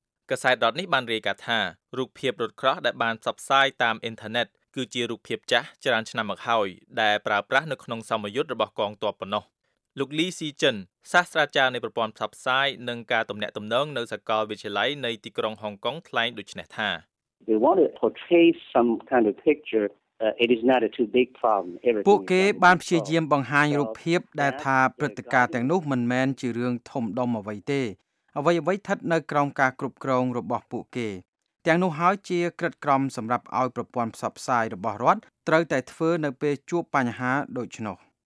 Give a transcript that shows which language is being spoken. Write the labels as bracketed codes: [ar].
[km] កសែតដតនេះបានរាយការណ៍ថារូបភាពរថក្រោះដែលបានផ្សព្វផ្សាយតាមអ៊ីនធឺណិតគឺជារូបភាពចាស់ច្រើនឆ្នាំមកហើយដែលប្រើប្រាស់នៅក្នុងសមយុទ្ធរបស់កងទ័ពប៉ុណ្ណោះលោកលីស៊ីចិនសាស្ត្រាចារ្យនៃប្រព័ន្ធផ្សព្វផ្សាយនិងការទំនាក់ទំនងនៅសាកលវិទ្យាល័យនៃទីក្រុងហុងកុងថ្លែងដូចនេះថា [en] They wanted to portray some kind of picture it is not a too big problem [km] ពួកគេបានព្យាយាមបង្ហាញរូបភាពដែលថាព្រឹត្តិការណ៍ទាំងនោះមិនមែនជារឿងធំដុំអ្វីទេអ្វីអ្វីស្ថិតនៅក្រោមការគ្រប់គ្រងរបស់ពួកគេទាំងនោះហើយជាក្រិតក្រមសម្រាប់ឲ្យប្រព័ន្ធផ្សព្វផ្សាយរបស់រដ្ឋត្រូវតែធ្វើនៅពេលជួបបញ្ហាដូច្នោះ